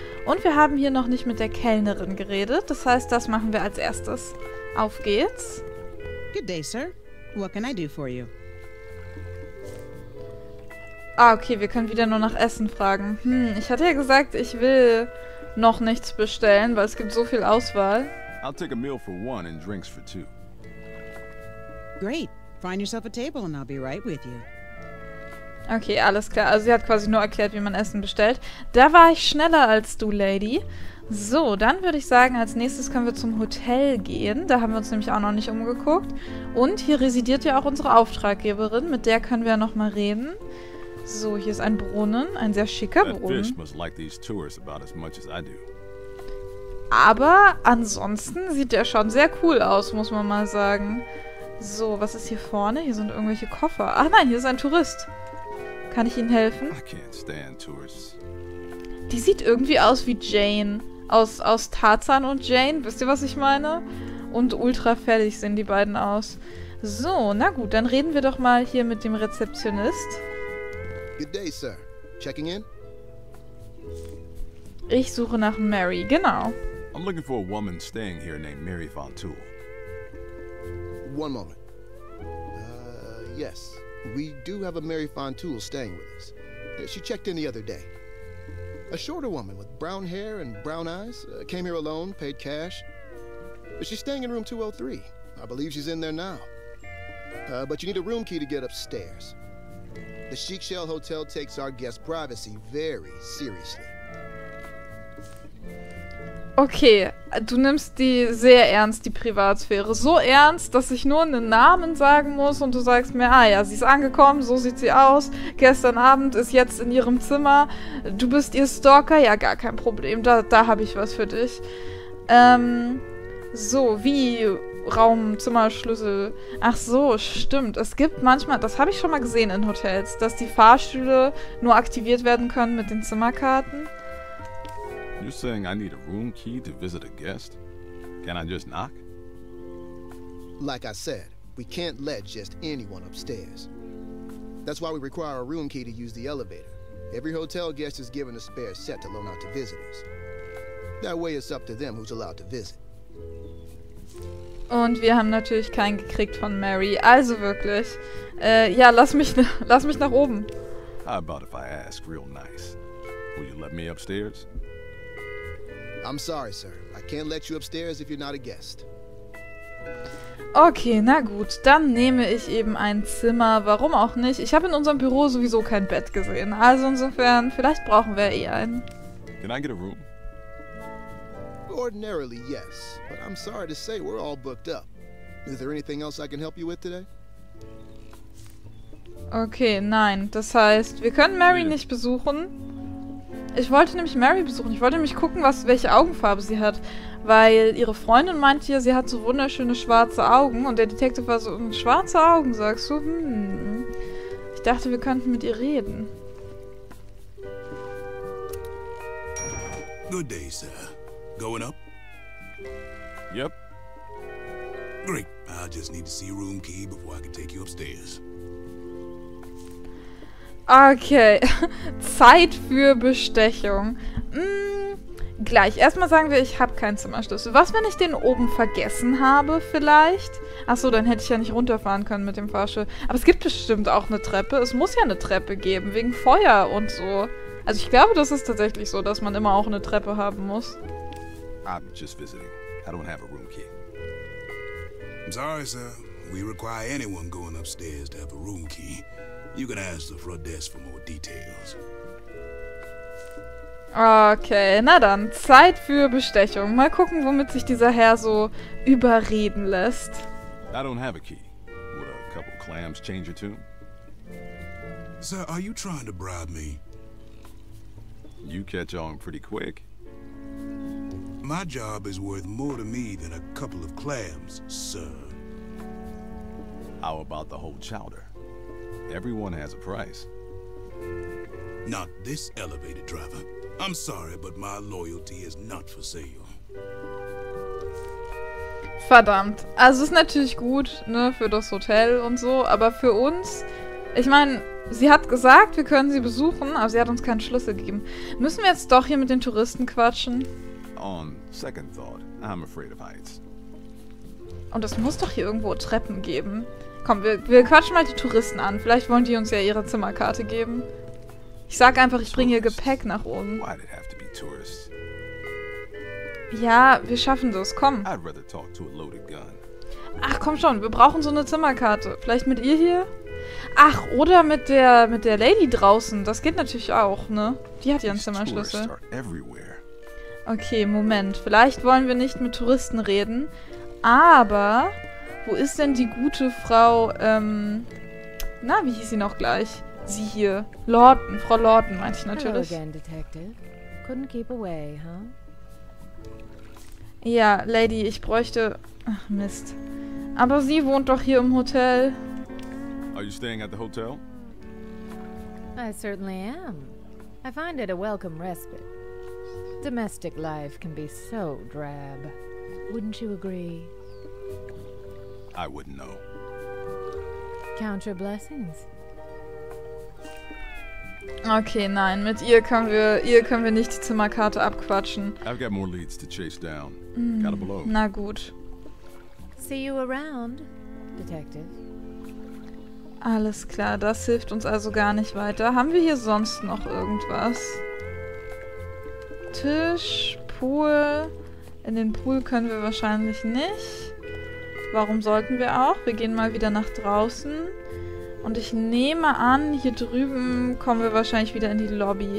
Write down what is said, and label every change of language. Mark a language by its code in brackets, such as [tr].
[de] Und wir haben hier noch nicht mit der Kellnerin geredet, das heißt, das machen wir als erstes. Auf geht's. [en] Good day, sir. What can I do for you? [de] Ah, okay, wir können wieder nur nach Essen fragen. Ich hatte ja gesagt, ich will noch nichts bestellen, weil es gibt so viel Auswahl. [en] I'll take a meal for one and drinks for two. Great. Find yourself a table and I'll be right with you. [de] Okay, alles klar. Also sie hat quasi nur erklärt, wie man Essen bestellt. Da war ich schneller als du, Lady. So, dann würde ich sagen, als nächstes können wir zum Hotel gehen. Da haben wir uns nämlich auch noch nicht umgeguckt. Und hier residiert ja auch unsere Auftraggeberin. Mit der können wir ja nochmal reden. So, hier ist ein Brunnen. Ein sehr schicker Brunnen. [en] That fish must like these tours about as much as I do. [de] Aber ansonsten sieht der schon sehr cool aus, muss man mal sagen. So, was ist hier vorne? Hier sind irgendwelche Koffer. Ach nein, hier ist ein Tourist. Kann ich Ihnen helfen? [en] I can't stand tourists. [de] Die sieht irgendwie aus wie Jane. Aus Tarzan und Jane, wisst ihr, was ich meine? Und ultra fällig sehen die beiden aus. So, na gut, dann reden wir doch mal hier mit dem Rezeptionist. [en] Good day, sir. Checking in? [de] Ich suche nach Mary, genau. [en] I'm looking for a woman staying here named Mary Fontoul. One moment. Yes. We do have a Mary Fontoul staying with us. She checked in the other day. A shorter woman with brown hair and brown eyes. Came here alone, paid cash. She's staying in room 203. I believe she's in there now. But you need a room key to get upstairs. The Chic Shell Hotel takes our guest privacy very seriously. [de] Okay, du nimmst die sehr ernst, die Privatsphäre. So ernst, dass ich nur einen Namen sagen muss und du sagst mir, ah ja, sie ist angekommen, so sieht sie aus. Gestern Abend ist jetzt in ihrem Zimmer. Du bist ihr Stalker? Ja, gar kein Problem, da habe ich was für dich. So, wie Raum, Zimmer, Schlüssel? Ach so, stimmt. Es gibt manchmal, das habe ich schon mal gesehen in Hotels, dass die Fahrstühle nur aktiviert werden können mit den Zimmerkarten. [en] You're saying I need a room key to visit a guest? Can I just knock? Like I said, we can't let just anyone upstairs. That's why we require a room key to use the elevator. Every hotel guest is given a spare set to loan out to visitors. That way it's up to them who's allowed to visit. [de] Und wir haben natürlich keinen gekriegt von Mary. Also wirklich. Ja, lass mich nach oben. [en] How about if I ask real nice? Will you let me upstairs? I'm sorry, sir. I can't let you upstairs if you're not a guest. [de] Okay, na gut. Dann nehme ich eben ein Zimmer. Warum auch nicht? Ich habe in unserem Büro sowieso kein Bett gesehen. Also insofern, vielleicht brauchen wir eh einen. [en] Can I get a room? Ordinarily, yes. But I'm sorry to say, we're all booked up. Is there anything else I can help you with today? [de] Okay, nein. Das heißt, wir können Mary nicht besuchen. Ich wollte nämlich Mary besuchen. Ich wollte nämlich gucken, welche Augenfarbe sie hat. Weil ihre Freundin meinte ja, sie hat so wunderschöne schwarze Augen. Und der Detective war so, schwarze Augen, sagst du? Ich dachte, wir könnten mit ihr reden. [en] Good day, sir. Going up? Yep. Great. I just need to see room key before I can take you upstairs. [de] Okay, Zeit für Bestechung. Gleich. Erstmal sagen wir, ich habe keinen Zimmerschlüssel. Was, wenn ich den oben vergessen habe vielleicht? Achso, dann hätte ich ja nicht runterfahren können mit dem Fahrstuhl. Aber es gibt bestimmt auch eine Treppe. Es muss ja eine Treppe geben, wegen Feuer und so. Also ich glaube, das ist tatsächlich so, dass man immer auch eine Treppe haben muss. [en] I'm just visiting. I don't have a room key. I'm sorry, sir. We require anyone going upstairs to have a room key. You can ask the front desk for more details. [de] Okay, na dann, Zeit für Bestechung. Mal gucken, womit sich dieser Herr so überreden lässt. [en] I don't have a key. Would a couple clams change your tune? Sir, are you trying to bribe me? You catch on pretty quick. My job is worth more to me than a couple of clams, sir. How about the whole chowder? Everyone has a price. Not this elevator driver. I'm sorry, but my loyalty is not for sale. [de] Verdammt. Also es ist natürlich gut, ne, für das Hotel und so, aber für uns, ich meine, sie hat gesagt, wir können sie besuchen, aber sie hat uns keinen Schlüssel gegeben. Müssen wir jetzt doch hier mit den Touristen quatschen? [en] On second thought, I'm afraid of heights. [de] Und es muss doch hier irgendwo Treppen geben. Komm, wir quatschen mal die Touristen an. Vielleicht wollen die uns ja ihre Zimmerkarte geben. Ich sag einfach, ich bringe ihr Gepäck nach oben. [en] Why'd it have to be tourists? [de] Ja, wir schaffen das. Komm. [en] I'd rather talk to a loaded gun. [de] Ach, komm schon. Wir brauchen so eine Zimmerkarte. Vielleicht mit ihr hier? Ach, oder mit der Lady draußen. Das geht natürlich auch, ne? Die hat ja einen Zimmerschlüssel. Okay, Moment. Vielleicht wollen wir nicht mit Touristen reden. Aber wo ist denn die gute Frau, na, wie hieß sie noch gleich? Sie hier. Lawton. Frau Lawton, meinte ich natürlich. [en] Hello again, Detective. Couldn't keep away, huh? [de] Ja, Lady, ich bräuchte... Ach, Mist. Aber sie wohnt doch hier im Hotel. [en] Are you staying at the hotel? I certainly am. I find it a welcome respite. Domestic life can be so drab. Wouldn't you agree? I wouldn't know. Count your blessings. [de] Okay, nein, mit ihr können wir nicht die Zimmerkarte abquatschen. [en] I've got more leads to chase down. Gotta blow. [de] Na gut. [en] See you around, Detective. [de] Alles klar, das hilft uns also gar nicht weiter. Haben wir hier sonst noch irgendwas? Tisch, Pool. In den Pool können wir wahrscheinlich nicht. Warum sollten wir auch? Wir gehen mal wieder nach draußen. Und ich nehme an, hier drüben kommen wir wahrscheinlich wieder in die Lobby.